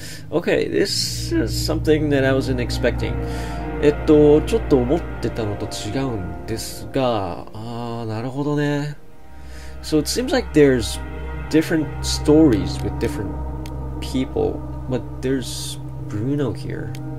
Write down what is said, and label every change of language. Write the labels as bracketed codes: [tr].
[en] Okay, this is something that I wasn't expecting. [ja] ちょっと思ってたのと違うんですが、なるほどね。 [en] So it seems like there'sDifferent stories with different people, but there's Bruno here.